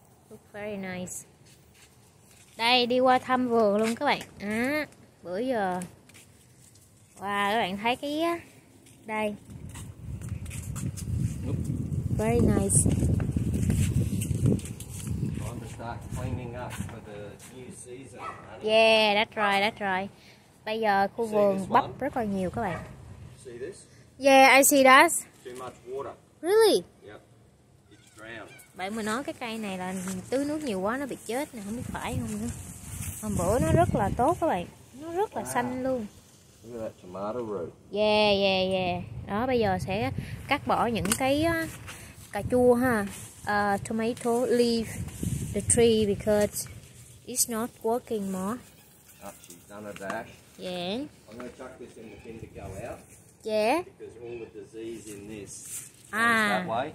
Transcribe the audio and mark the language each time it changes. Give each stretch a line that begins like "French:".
English: Look very nice.
Vietnamese: Đây, đi qua thăm vườn luôn các bạn. À. Bữa giờ các bạn thấy cái đây very nice.
English: Time to start cleaning up for the new season, honey. Yeah, that's right.
Vietnamese: Bây giờ khu vườn bắp rất là nhiều các bạn.
English: See this? Yeah, I see that. Too much water. Really? Yep. It's drowned.
Vietnamese: Bạn mình nói cái cây này là tưới nước nhiều quá nó bị chết nè, không biết phải không nữa. Hôm bữa nó rất là tốt các bạn. Nó rất là xanh luôn.
English: Look at that tomato root. Yeah.
Vietnamese: Đó, bây giờ sẽ cắt bỏ những cái cà chua ha.
English: Tomato leaf the tree because it's not working more. She's done a dash. Yeah. I'm going to chuck this in the bin to go out. Yeah. Because all the disease in this goes that way.